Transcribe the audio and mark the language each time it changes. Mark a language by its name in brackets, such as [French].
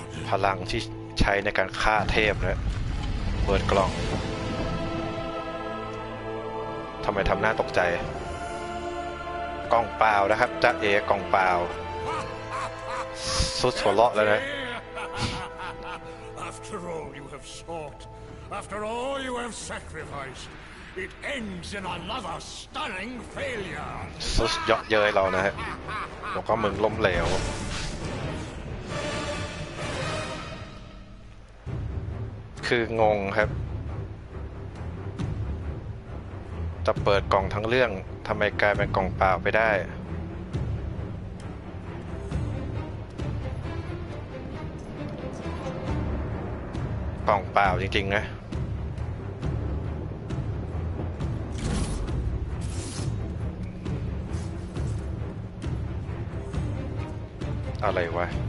[Thai] พลังที่ใช้ในการฆ่าเทพนะเปิดกล่องทำไมทำหน้าตกใจกล่องเปล่านะครับจ๊ะเอกล่องเปล่าสุดหัวเราะแล้วนะ [English] After all you have sought After all you have sacrificedIt ends in another stunning failure. [Thai] ซุสเยอะเย้ยเรานะฮะบอกว่ามึงล้มเหลว คืองงครับจะเปิดกล่องทั้งเรื่องทำไมกลายเป็นกล่องเปล่าไปได้กล่องเปล่าจริงๆนะอะไรวะ